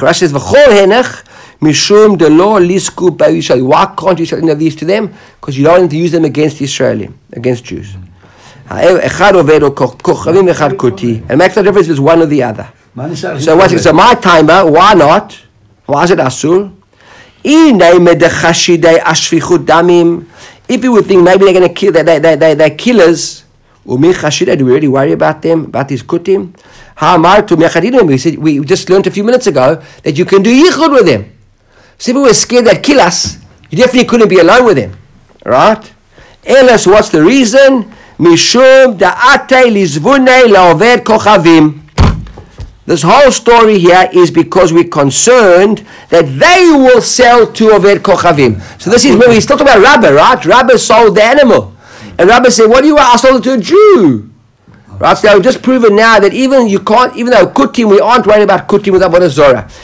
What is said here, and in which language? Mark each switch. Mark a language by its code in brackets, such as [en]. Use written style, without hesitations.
[en] Rashi says, vechol henech. [he] Mishum de lo lisku b'Yisrael. [en] Why can't you sell any of these to them? Because you don't need to use them against Israelim, against Jews. [he] אחד עובד או כוכבים אחד קוטי, [en] and make the difference is one or the other. So what's it? So my timer, why not? Why is it אסור? [he] הנה מדחשידי השפיכות דמים. [en] If you would think maybe they're going to kill, they're killers, [he] ומי חשידי, [en] do we really worry about them, about these קוטים? [he] אמרתו מיחדינו, [en] we just learned a few minutes ago that you can do ייחוד with them. So if we were scared they'd kill us, you definitely couldn't be alone with them, right? Ellis, what's the reason? [he] משום דעתי לזבוני לעובד כוכבים. [en] This whole story here is because we're concerned that they will sell to עובד כוכבים. So this is where we still talk about Rabbah, right? Rabbah sold the animal. And Rabbah said, what do you want? I sold it to a Jew. Right, so just proven now that even you can't, even though kutim, we aren't worried about kutim with avodah zorah.